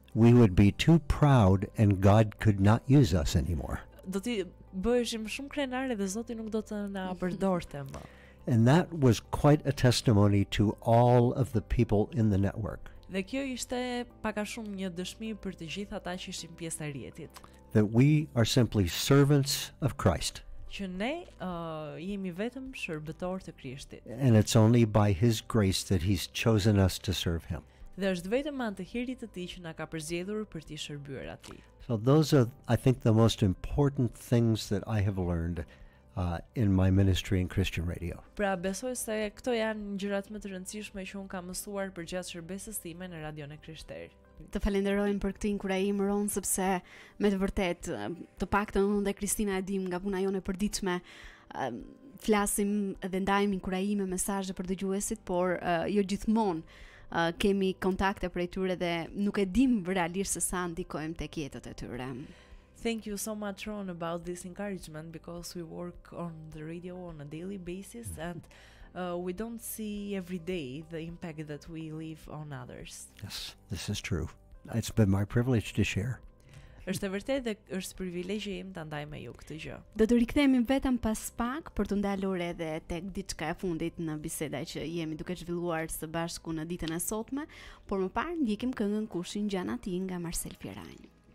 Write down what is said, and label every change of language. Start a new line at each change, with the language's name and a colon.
English: we would be too proud and God could not use us anymore.
Albanian: Do të bëheshim shumë krenarë dhe Zoti nuk do të na përdorte më.
English: And that was quite a testimony to all of the people in the network.
Albanian: Dhe kjo ishte pak a shumë një dëshmi për të gjithë ata që ishin pjesë e rjetit.
English: That we are simply servants of Christ.
Albanian: Që ne jemi vetëm shërbëtorë të Krishtit.
English: And it's only by his grace that he's chosen us to serve him.
Albanian: Dhe është vetëm anë të hirit të tij që na ka përzgjedhur për të shërbyer atij.
English: So those are, I think, the most important things that I have learned in my ministry in Christian radio.
Albanian: Pra besoj se këto janë gjërat më të rëndësishme që un ka mësuar përgjatë shërbesës time në radion e Krishterë. Të falenderojmë për këtë inkurajim, Ron, sepse me të vërtet, të paktën unë dhe Kristina e dim nga puna jone e përditshme, flasim dhe ndajmë inkurajime, mesazhe për dëgjuesit, por jo gjithmonë kemi kontakte prej tyre dhe nuk e dim realisht se sa ndikojmë tek jetët e tyre.
English: Thank you so much, Ron, about this encouragement, because we work on the radio on a daily basis and we don't see every day the impact that we leave on others. Yes, this is true. It's been my privilege to share.
Albanian: Është vërtet dhe është privilegji im ta ndaj me ju këtë gjë. Do të rikthehemi vetëm pas pak për të ndalur edhe tek diçka e fundit në biseda që jemi duke zhvilluar së bashku në ditën e sotme, por më parë ndjekim këngën Kushin gjan aty nga Marcel Fierani.